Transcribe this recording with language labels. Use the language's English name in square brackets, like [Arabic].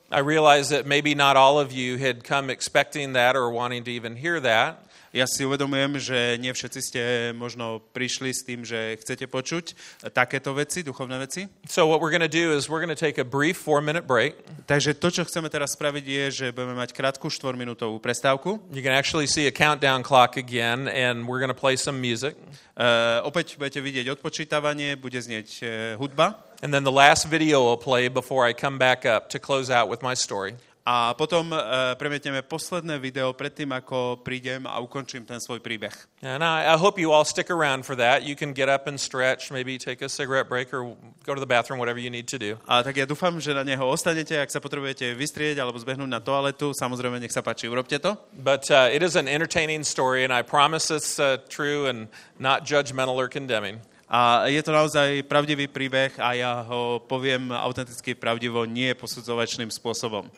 [English] I realize that maybe not all of you had come expecting that or wanting to even hear that. [Slovak] Ja si uvedomujem, že nie všetci ste možno prišli s tým, že chcete počuť takéto veci, duchovné veci. [English] So what we're going to do is we're going to take a brief 4-minute break. [Slovak] Takže to, čo chceme teraz spraviť, je, že budeme mať krátku 4-minútovú prestávku. [English] You can actually see a countdown clock again and we're going to play some music. [Slovak] Opäť budete vidieť odpočítavanie, bude znieť hudba. [English] And then the last video will play before I come back up to close out with my story. [Slovak] A potom premietneme posledné video pred tým, ako prídem a ukončím ten svoj príbeh. [English] And I hope you all stick around for that. You can get up and stretch, maybe take a cigarette break or go to the bathroom, whatever you need to do. [Slovak] A tak ja dúfam, že na neho ostanete, ak sa potrebujete vystrieť alebo zbehnúť na toaletu. Samozrejme, nech sa páči, urobte to. [English] But it is an entertaining story and I promise it's true and not judgmental or condemning. [Slovak] A je to naozaj pravdivý príbeh a ja ho poviem autenticky pravdivo, nie posudzovačným spôsobom.